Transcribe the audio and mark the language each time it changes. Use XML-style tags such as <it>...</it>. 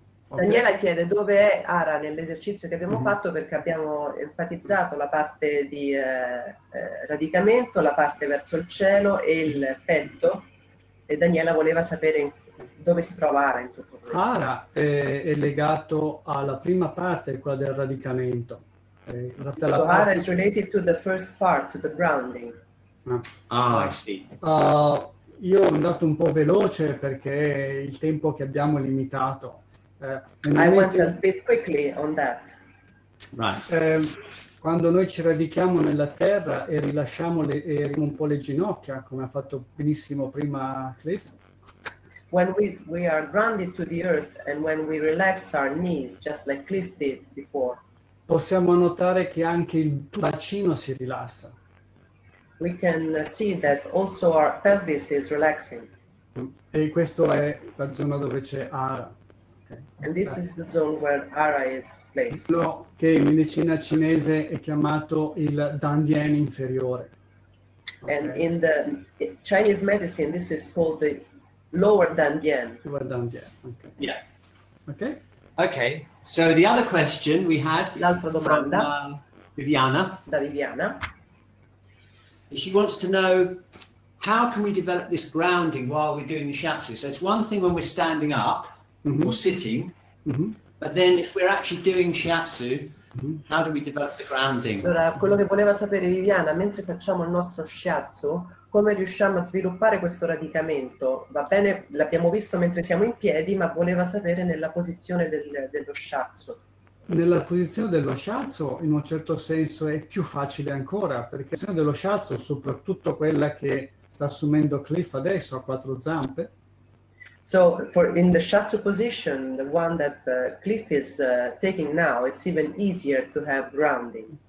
<it>Daniela chiede dove è hara nell'esercizio che abbiamo fatto, perché abbiamo enfatizzato la parte di radicamento, la parte verso il cielo e il petto, e Daniela voleva sapere dove si trova hara in tutto questo. Hara è legato alla prima parte, quella del radicamento.</it> <en>So hara is related to the first part, to the grounding. Ah, I see.</en> <it>Io ho andato un po' veloce perché il tempo che abbiamo è limitato.</it> <en>I went a bit quickly on that. Right.</en> <it>Quando noi ci radichiamo nella terra e rilasciamo un po' le ginocchia, come ha fatto benissimo prima Cliff.</it> <en>When we are grounded to the earth and when we relax our knees, just like Cliff did before.</en> <it>Possiamo notare che anche il bacino si rilassa.</it> <en>We can see that also our pelvis is relaxing.</en> <it>E questo è la zona dove c'è Hara.</it> <en>And this is the zone where Hara is placed.</en> <it>Quello che in medicina cinese è chiamato il Dandian inferiore.</it> <en>Okay. And in the Chinese medicine, this is called the lower Dandian. Lower Dandian. Okay. Yeah. Okay. Okay. So the other question we had.</en> <it>L'altra domanda. Viviana. Da Viviana.</it> <en>She wants to know, how can we develop this grounding while we're doing the shiatsu? So it's one thing when we're standing up or sitting, but then if we're actually doing shiatsu, how do we develop the grounding?</en> <it>Allora, quello che voleva sapere Viviana, mentre facciamo il nostro shiatsu, come riusciamo a sviluppare questo radicamento? Va bene, l'abbiamo visto mentre siamo in piedi, ma voleva sapere nella posizione dello shiatsu. Nella posizione dello shiatsu, in un certo senso, è più facile ancora, perché la posizione dello shiatsu, soprattutto quella che sta assumendo Cliff adesso, a quattro zampe.</it> <en>So, in the shiatsu position, the one that Cliff is taking now, it's even easier to have grounding.</en>